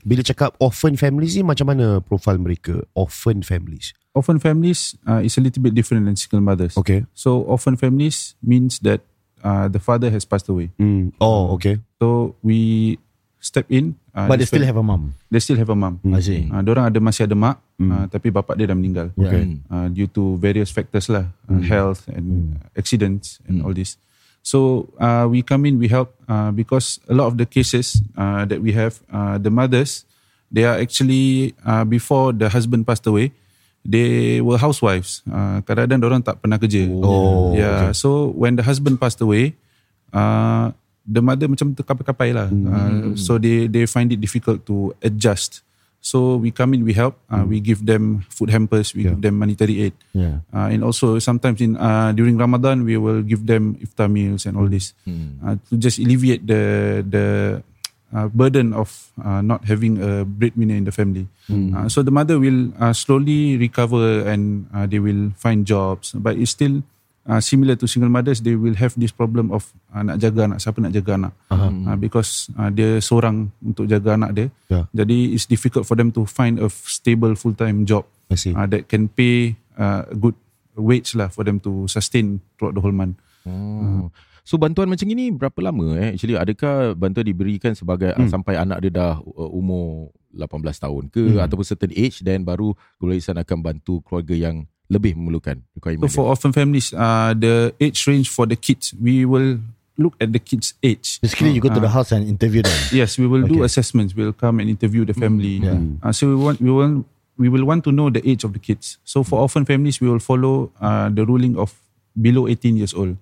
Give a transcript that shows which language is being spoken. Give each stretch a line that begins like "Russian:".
Malay: Bila cakap orphan families ni, macam mana profile mereka? Orphan families?
English: orphan families is a little bit different than single mothers. Okay. So orphan families means that the father has passed away. Mm. Oh, okay. So we step in. But they still have a mom. They still have a mom. Mm. I see.
Malay: Diorang ada masih ada mak, tapi bapak dia dah meninggal.
English: Okay. Due to various factors lah, health and accidents and all this. So we come in, we help because a lot of the cases that we have, the mothers, they are actually before the husband passed away, they were housewives.
Malay: Kadang-kadang diorang tak pernah kerja. Oh,
English: yeah. Yeah. Okay. So when the husband passed away, the mother
Malay: macam terkapai-kapai lah.
English: Mm-hmm. So they find it difficult to adjust. So we come in, we help. We give them food hampers. We give them monetary aid. Yeah. And also sometimes in during Ramadan, we will give them iftar meals and all this to just alleviate the burden of not having a breadwinner in the family. So the mother will slowly recover and they will find jobs. But it's still similar to single mothers. They will have this problem of
Malay: nak jaga anak. Siapa nak jaga anak? Because dia seorang untuk jaga anak dia.
English: Yeah. Jadi it's difficult for them to find a stable full-time job that can pay a good wage lah for them to sustain throughout the whole month.
Malay: So bantuan macam ini berapa lama eh? Actually, adakah bantuan diberikan sebagai sampai anak dia dah umur 18 tahun ke ataupun certain age, then baru Gula Ihsan akan bantu keluarga yang lebih memerlukan?
English: So for orphan families, the age range for the kids, we will look at the kids' age. Basically, you go to the house and interview them. Yes, we will do assessments. We'll come and interview the family. Yeah. So we will want to know the age of the kids. So for orphan families, we will follow the ruling of below 18 years old.